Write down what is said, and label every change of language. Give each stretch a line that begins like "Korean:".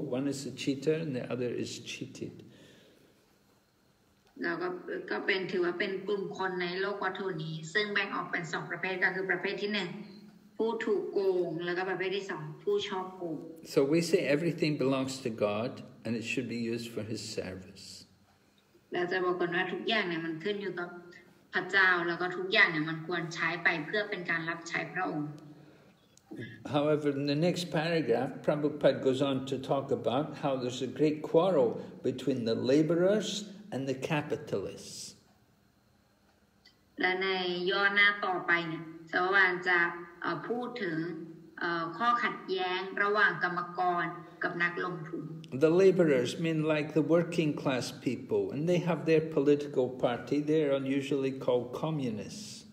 English: One is a cheater and the other is cheated.
Thai: แล้วก็เป็นถือว่าเป็นกลุ่มคนในโลกวัตถุนี้ซึ่งแบ่งออกเป็น2ประเภทก็คือประเภทที่1ผู้ถูกโกงแล้วก็ประเภทที่2ผู้ชอบโกง
English: So we say everything belongs to God and it should be used for his service
Thai: เราจะบอกกันว่าทุกอย่างเนี่ยมันขึ้นอยู่กับพระเจ้าแล้วก็ทุกอย่างเนี่ยมันควรใช้ไปเพื่อเป็นการรับใช้พระองค์
English: However in the next paragraph Prabhupada goes on to talk about how there's a great quarrel between the laborersand the capitalists
Thai: และในย่อหน้าต่อไปเนี่ยสวานจะพูดถึงข้อขัดแย้งระหว่างกรรมกรกับนักลงทุน
English: The laborers mean like the working class people and they have their political party they're unusually called communists